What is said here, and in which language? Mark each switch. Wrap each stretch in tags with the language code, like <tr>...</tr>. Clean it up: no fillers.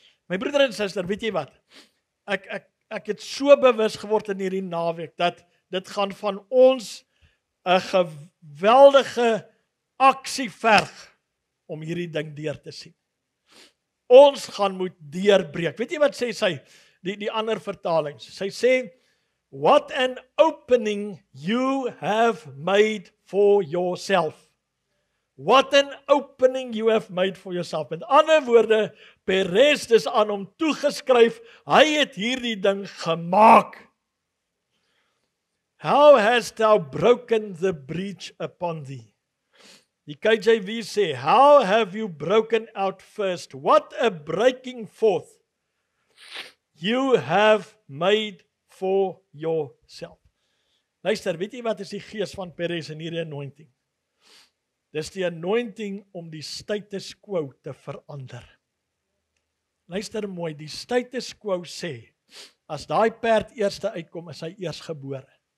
<af>My broeder en suster, weet jy wat? Ek het so bewus geword in hierdie naweek, dat dit gaan van ons een geweldige aksie verg om hierdie ding deur te sien. Ons gaan moet deurbreek. Weet jy wat sê sy, die ander vertalings? Sy sê,</af> <en>what an opening you have made for yourself. What an opening you have made for yourself.</en> <af>Met ander woorde, Peres is aan hom toegeskryf, hy het hierdie ding gemaak.</af> <en>How hast thou broken the breach upon thee?</en> <af>Die KJV sê,</af> <en>how have you broken out first? What a breaking forth you have made for yourself.</en> <af>Luister, weet jy wat is die gees van Peres in hierdie anointing? Dis die anointing om die status quo te verander. Luister mooi, die status quo sê, as daai perd eerste uitkom, is hy eersgebore.</af>